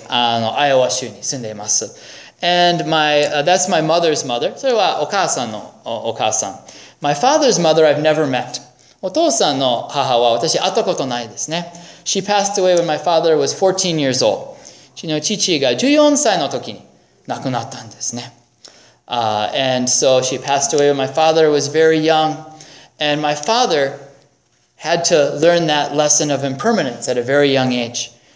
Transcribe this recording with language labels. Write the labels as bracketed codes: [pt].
[ja] まあ一人はまだご健在で元気で、アイオワ州に住んでいます。 [en] And that's my mother's mother. [ja] それはお母さんのお母さん。 [en] My father's mother I've never met. [ja] お父さんの母は私会ったことないですね。 [en] She passed away when my father was 14 years old. [ja] 父の父が14歳の時に亡くなったんですね。 [en] And so she passed away when my father was very young. And my father had to learn that lesson of impermanence at a very young age.